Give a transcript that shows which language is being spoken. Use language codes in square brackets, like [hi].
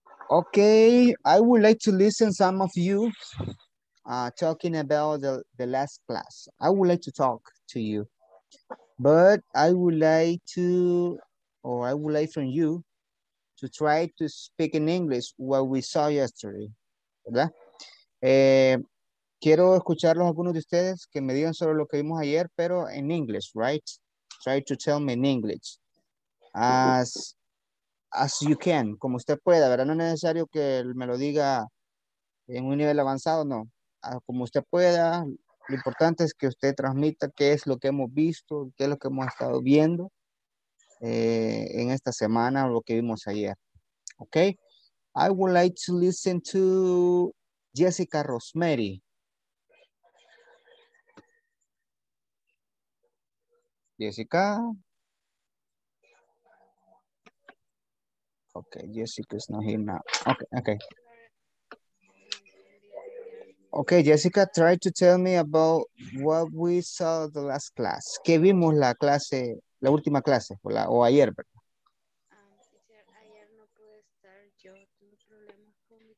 [en] Okay, I would like to listen some of you talking about the last class. I would like to talk to you, but I would like to, or I would like from you to try to speak in English what we saw yesterday, [es] ¿verdad? Quiero escucharlos algunos de ustedes que me digan sobre lo que vimos ayer, pero en [en] English, right? Try to tell me in English. As you can, [es] como usted pueda, ¿verdad? No es necesario que me lo diga en un nivel avanzado, no. Como usted pueda, lo importante es que usted transmita qué es lo que hemos visto, qué es lo que hemos estado viendo en esta semana, lo que vimos ayer. [en] Ok. I would like to listen to Jessica Rosemary. Jessica. Okay, Jessica is not here now. Okay, okay. Okay, Jessica, try to tell me about what we saw the last class. [es] ¿Qué vimos la clase, la última clase, o, la, o ayer, verdad? Ayer no pude estar, yo tuve problemas con mi.